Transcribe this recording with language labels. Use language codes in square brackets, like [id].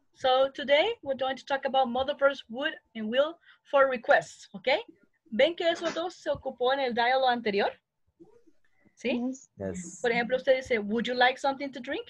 [en] So today we're going to talk about modal verbs would and will for requests. Okay. [es] ¿Ven que esos dos se ocupó en el diálogo anterior? ¿Sí? [en] Yes. [es] Por ejemplo, usted dice, [en] would you like something to drink?